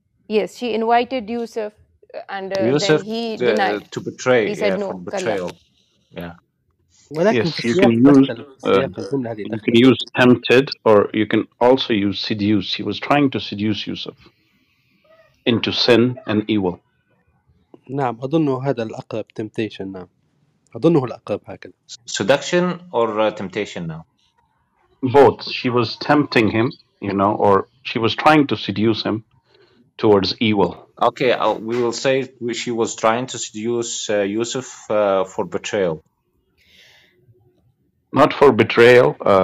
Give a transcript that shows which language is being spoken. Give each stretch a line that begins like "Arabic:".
English: Yes, she invited Yusuf and Yusuf then he denied. To betray, he said no, for betrayal. Yes, you can use tempted or you can also use seduce. He was trying to seduce Yusuf. Into sin and evil.
Arabic: نعم أظنه هذا الأقرب temptation نعم أظنه الأقرب هكذا.
English: Seduction or temptation now? Both. She was tempting him, you know, or she was trying to seduce him towards evil. Okay, we will say she was trying to seduce Yusuf for betrayal. Not for betrayal.